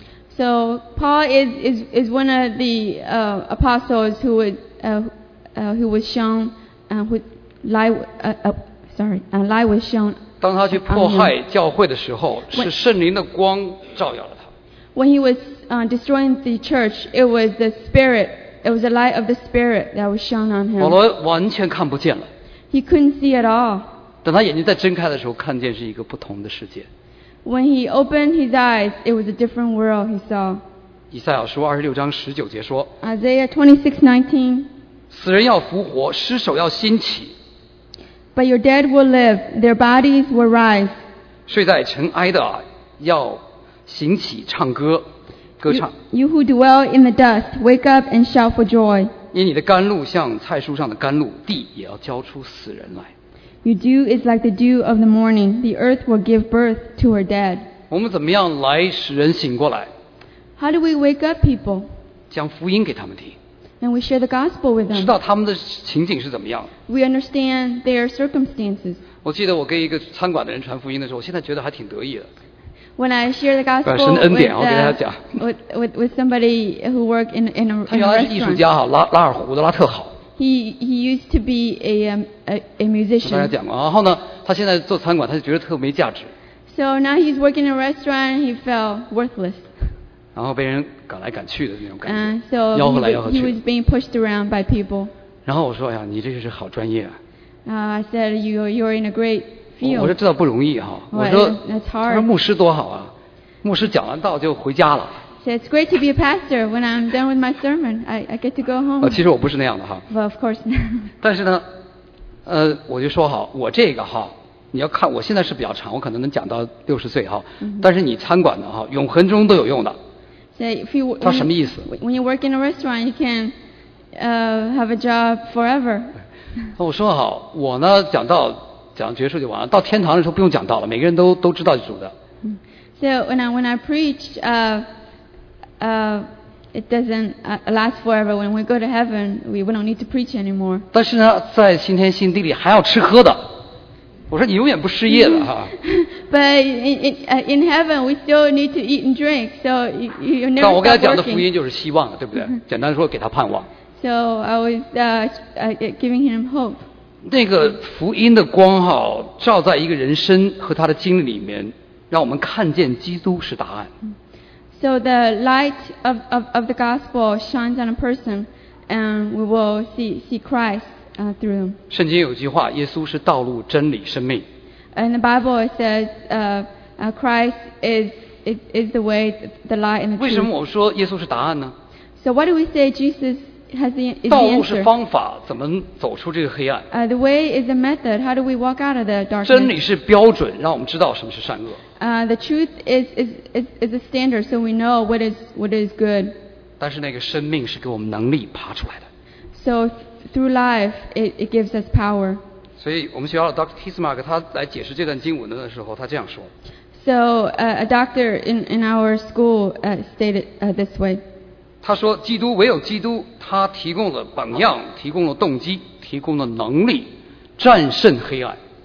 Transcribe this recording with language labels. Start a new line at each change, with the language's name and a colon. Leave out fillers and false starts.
English: So Paul is one of the apostles who was shown light was shown.
Chinese: 当他去迫害教会的时候，是圣灵的光照耀了他。
English: When he was destroying the church, it was the light of the spirit that was shown on him.
Chinese: 保罗完全看不见了。
English: He couldn't see at all.
Chinese: 等他眼睛再睁开的时候，看见是一个不同的世界。
English: When he opened his eyes, it was a different world he saw.
Chinese: 以赛亚书二十六章十九节说
English: ，Isaiah 26:19.
Chinese: 死人要复活，尸首要兴起。
English: But your dead will live; their bodies will rise.
Chinese: 睡在尘埃的要兴起唱歌，歌唱。
English: You who dwell in the dust, wake up and shout for joy.
Chinese: 因你的甘露像菜蔬上的甘露，地也要交出死人来。
English: Your dew is like the dew of the morning. The earth will give birth to her dead.
Chinese: 我们怎么样来使人醒过来？
English: How do we wake up people?
Chinese: 讲福音给他们听。
English: And we share the gospel with them.
Chinese: 知道他们的情景是怎么样。
English: We understand their circumstances.
Chinese: 我记得我跟一个餐馆的人传福音的时候，我现在觉得还挺得意的。
English: When I share the gospel
Chinese: 神恩典，我给他讲。
English: With somebody who worked in a restaurant.
Chinese: 他原来是艺术家，拉二胡的，拉特好。
English: He used to be a musician.
Chinese: 跟大家讲过，然后呢，他现在做餐馆，他就觉得特没价值。
English: So now he's working in a restaurant. He felt worthless.
Chinese: 然后被人赶来赶去的那种感觉。
English: So
Chinese: 吆喝来吆喝去。
English: He was being pushed around by people.
Chinese: 然后我说，哎呀，你这个是好专业啊。
English: I said you're in a great field.
Chinese: 我说这倒不容易哈。我说
English: that's hard.
Chinese: 他说牧师多好啊，牧师讲完道就回家了。
English: So it's great to be a pastor. When I'm done with my sermon, I get to go home.
Chinese: 其实我不是那样的哈。
English: But of course not.
Chinese: 但是呢，我就说哈，我这个哈，你要看我现在是比较长，我可能能讲到六十岁哈。但是你餐馆的哈，永恒中都有用的。
English: So if you
Chinese: 他什么意思
English: ？When you work in a restaurant, you can have a job forever.
Chinese: 我说哈，我呢讲到讲结束就完了，到天堂的时候不用讲到了，每个人都知道主的。
English: So when I preach, it doesn't last forever. When we go to heaven, we don't need to preach anymore.
Chinese: 但是呢，在新天新地里还要吃喝的。我说你永远不失业的哈。
English: But in heaven, we still need to eat and drink, so you never.
Chinese: 但我跟他讲的福音就是希望，对不对？简单说，给他盼望。
English: So I was giving him hope.
Chinese: 那个福音的光哈，照在一个人生和他的经历里面，让我们看见基督是答案。
English: So the light of the gospel shines on a person, and we will see Christ through him.
Chinese: 圣经有句话，耶稣是道路、真理、生命。
English: And the Bible says, Christ is the way, the light, and the truth.
Chinese: 为什么我说耶稣是答案呢？
English: So why do we say Jesus has the answer?
Chinese: 道路是方法，怎么走出这个黑暗？
English: The way is a method. How do we walk out of the darkness?
Chinese: 真理是标准，让我们知道什么是善恶。
English: The truth is a standard, so we know what is good.
Chinese: 但是那个生命是给我们能力爬出来的。
English: So through life, it gives us power.
Chinese: 所以我们学校的 Dr. Tismark 他来解释这段经文的时候，他这样说。
English: So a doctor in our school stated this way.
Chinese: 他说，基督唯有基督，他提供了榜样，提供了动机，提供了能力，战胜黑暗。